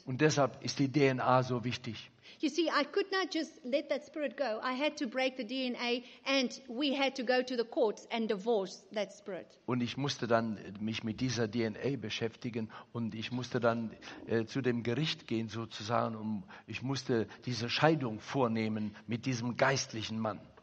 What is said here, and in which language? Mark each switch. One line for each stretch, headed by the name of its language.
German: Und deshalb ist die DNA so wichtig.
English: You see, I could not just let that spirit go. I had to break the DNA and we had to go to the courts and divorce that spirit.
German: Und ich musste dann mich mit dieser DNA beschäftigen und ich musste dann zu dem Gericht gehen sozusagen und ich musste diese Scheidung vornehmen mit diesem geistlichen Mann.